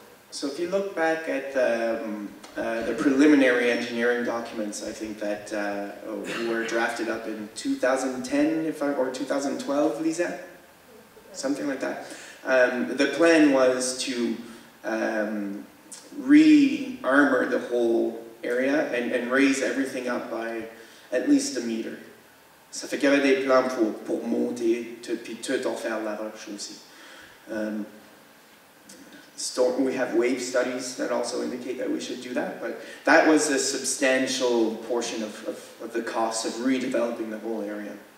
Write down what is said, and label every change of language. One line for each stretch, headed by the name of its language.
English: So if you look back at the preliminary engineering documents, I think that were drafted up in 2010 or 2012, Lisa? Something like that. The plan was to re-armor the whole area and raise everything up by at least a meter.
French: Ça fait qu'il y avait des plans pour monter puis tout en faire la roche aussi.
English: We have wave studies that also indicate that we should do that, but that was a substantial portion of the cost of redeveloping the whole area.